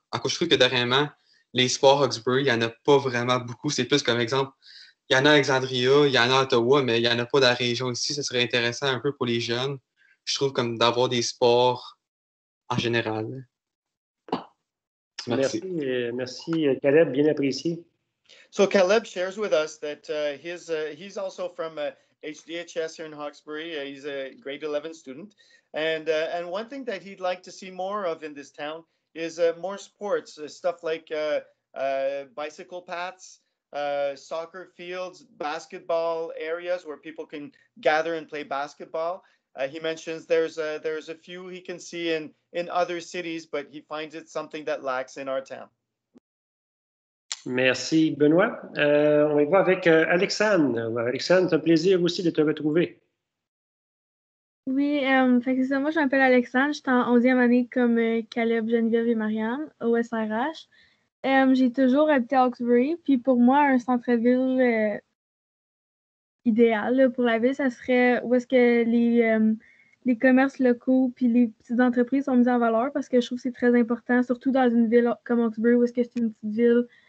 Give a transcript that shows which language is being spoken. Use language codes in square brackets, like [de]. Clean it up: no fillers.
[fr] En quoi, je trouve que dernièrement, les sports Hawkesbury, il n'y en a pas vraiment beaucoup. C'est plus comme exemple, il y en a à Alexandria, il y en a à Ottawa, mais il n'y en a pas dans la région ici. Ce serait intéressant un peu pour les jeunes, je trouve, comme d'avoir des sports en général. Merci. Merci, Caleb. Bien apprécié. [en] So Caleb shares with us that he's also from HDHS here in Hawkesbury. He's a grade 11 student. And one thing that he'd like to see more of in this town is more sports, stuff like bicycle paths, soccer fields, basketball areas where people can gather and play basketball. He mentions there's a few he can see in other cities, but he finds it something that lacks in our town. [fr] Merci, Benoît. On va avec Alexandre. Alexandre, c'est un plaisir aussi de te retrouver. Oui, fait que c'est ça. Moi, je m'appelle Alexandre, je suis en 11e année comme Caleb, Geneviève et Marianne au SRH. J'ai toujours habité à Hawkesbury, puis pour moi, un centre-ville idéal là, pour la ville, ça serait où est-ce que les commerces locaux puis les petites entreprises sont mises en valeur, parce que je trouve que c'est très important, surtout dans une ville comme Hawkesbury, où est-ce que c'est une petite ville.